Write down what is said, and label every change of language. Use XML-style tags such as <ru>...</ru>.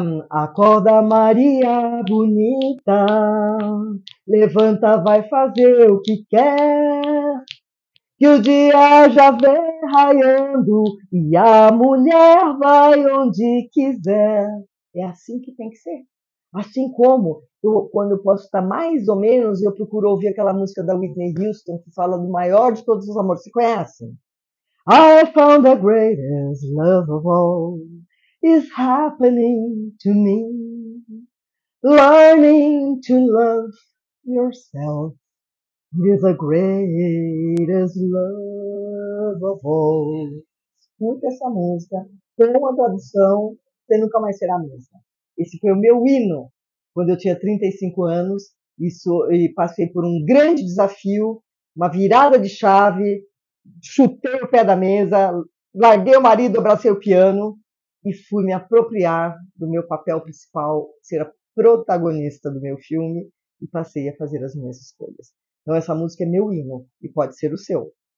<pt>Acorda, Maria bonita, levanta, vai fazer o que quer, que o dia já vem raiando e a mulher vai onde quiser. É assim que tem que ser. Assim como quando eu posso estar mais ou menos, eu procuro ouvir aquela música da Whitney Houston que fala do maior de todos os amores. Você conhece?</pt> <en>I found the greatest love of all is happening to me. Learning to love yourself is the greatest love of all.</en> <pt>Escuta essa música, tem uma tradução, você nunca mais será a mesma. Esse foi o meu hino quando eu tinha 35 anos e passei por um grande desafio, uma virada de chave. Chutei o pé da mesa, larguei o marido, abracei o piano e fui me apropriar do meu papel principal, ser a protagonista do meu filme e passei a fazer as minhas escolhas. Então, essa música é meu hino e pode ser o seu.</pt>